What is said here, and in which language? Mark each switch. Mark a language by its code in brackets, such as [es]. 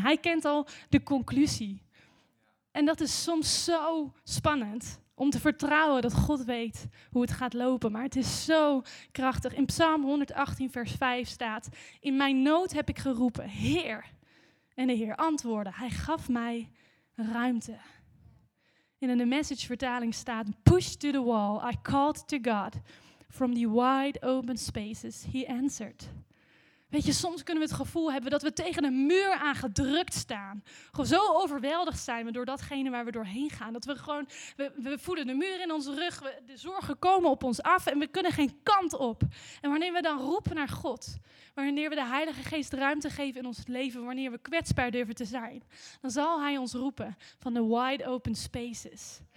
[nl] Hij kent al de conclusie. En dat is soms zo spannend om te vertrouwen dat God weet hoe het gaat lopen. Maar het is zo krachtig. In Psalm 118 vers 5 staat, in mijn nood heb ik geroepen, Heer. En de Heer antwoordde, hij gaf mij ruimte. En in de Message vertaling staat, [en] pushed to the wall, I called to God. From the wide open spaces, he answered. [nl] Weet je, soms kunnen we het gevoel hebben dat we tegen een muur aan gedrukt staan. Gewoon zo overweldigd zijn we door datgene waar we doorheen gaan. Dat we gewoon, we voelen de muur in onze rug, de zorgen komen op ons af en we kunnen geen kant op. En wanneer we dan roepen naar God, wanneer we de Heilige Geest ruimte geven in ons leven, wanneer we kwetsbaar durven te zijn, dan zal hij ons roepen van de wide open spaces.